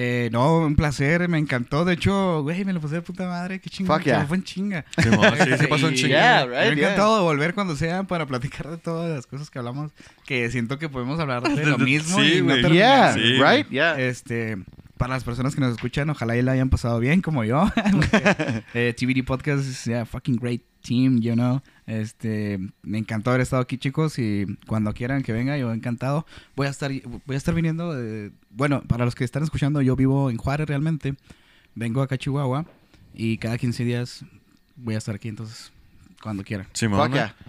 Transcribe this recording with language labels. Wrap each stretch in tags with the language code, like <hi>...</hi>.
<es>No, un placer, me encantó. De hecho, güey, me lo pasé de puta madre. Qué chingón.</es> <en>Fuck yeah.</en> <es>Fue un chinga. Sí, se pasó un chinga. Yeah, right, me encantó volver cuando sea para platicar de todas las cosas que hablamos. Que siento que podemos hablar de lo mismo. Sí, y no terminar. Yeah, sí, right? Yeah. Para las personas que nos escuchan, ojalá y la hayan pasado bien como yo.</es> <en>TVD Podcast is a fucking great team, you know.</en> <es>Me encantó haber estado aquí, chicos, y cuando quieran que venga, yo encantado. Voy a estar viniendo, bueno, para los que están escuchando, yo vivo en Juárez realmente. Vengo acá a Chihuahua y cada 15 días voy a estar aquí, entonces... Cuando quieran. Sí, mamá. Yeah.</es>